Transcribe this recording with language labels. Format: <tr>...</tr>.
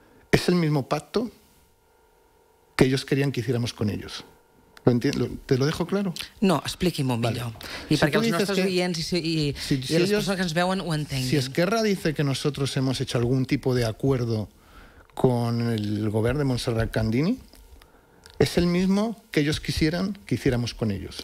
<es>¿Es el mismo pacto que ellos querían que hiciéramos con ellos? ¿Lo entiendo? ¿Te lo dejo claro?</es> <ca>No, expliqui-m'ho millor. Vale. I si perquè els nostres oients i les persones que ens veuen ho entenguin.</ca> <es>Si Esquerra dice que nosotros hemos hecho algún tipo de acuerdo con el gobierno de Montserrat Candini, es el mismo que ellos quisieran que hiciéramos con ellos.</es>